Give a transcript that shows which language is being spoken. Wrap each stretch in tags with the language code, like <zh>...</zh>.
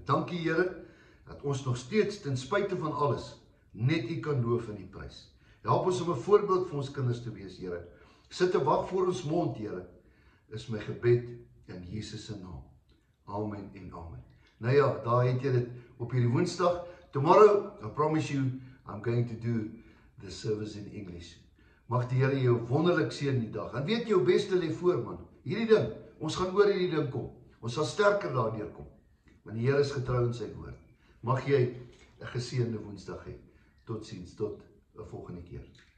<af>Dankie, Here, dat ons nog steeds ten spyte van alles net u kan loof en u prys. Help ons om 'n voorbeeld vir ons kinders te wees, Here. Sit 'n wag voor ons mond, Here. Is my gebed in Jesus se naam. Amen en amen. Nou ja, daar het jy dit op hierdie Woensdag.</af> <en>Tomorrow, I promise you, I'm going to do the service in English.</en> <af>Mag die Here jou wonderlik seën die dag. En weet jy, jou beste lê voor, man. Hierdie ding, ons gaan oor hierdie ding kom. Ons sal sterker daardeur kom. Want die Here is getrou in sy woord. Mag jy 'n geseënde Woensdag hê. Totsiens, tot 'n volgende keer.</af>